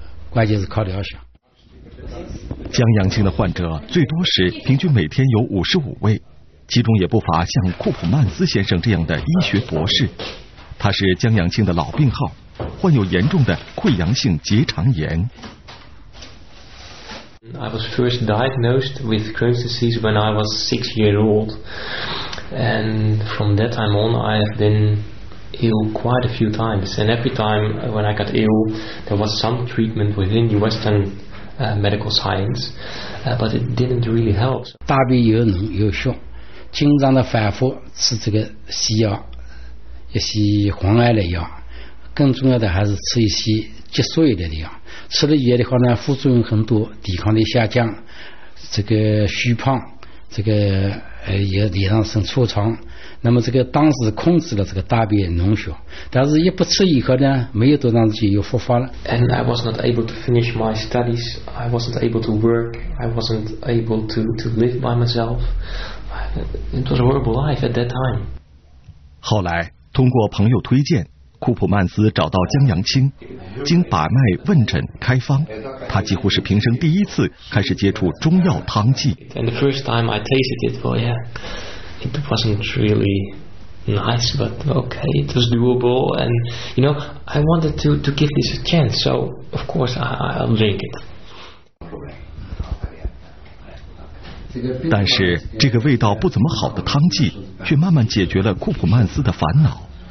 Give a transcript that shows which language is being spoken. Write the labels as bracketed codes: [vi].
[zh] 关键是靠疗效。江阳青的患者最多时平均每天有55位，其中也不乏像库普曼斯先生这样的医学博士，他是江阳青的老病号，患有严重的溃疡性结肠炎。 [en] I was first diagnosed with Crohn's disease when I was 6 years old, and from that time on I have been ill quite a few times, and every time when I got ill there was some treatment within the Western medical science, but it didn't really help. [zh] 大便有脓有血，经常的反复吃这个西药，一些黄艾类药，更重要的还是吃一些激素一类的药，吃了药的话呢，副作用很多，抵抗力下降，这个虚胖，这个也脸上生痤疮。那么这个当时控制了这个大便脓血，但是一不吃以后呢，没有多长时间又复发了。 [en] And I was not able to finish my studies. I wasn't able to work. I wasn't able to live by myself. It was a horrible life at that time. [zh] 后来通过朋友推荐，库普曼斯找到江阳青，经把脉问诊开方，他几乎是平生第一次开始接触中药汤剂。 [en] And the first time I tasted it, well, yeah, it wasn't really nice, but okay, it was doable. And you know, I wanted to give this a chance, so of course I'll drink it. [zh] 但是这个味道不怎么好的汤剂，却慢慢解决了库普曼斯的烦恼。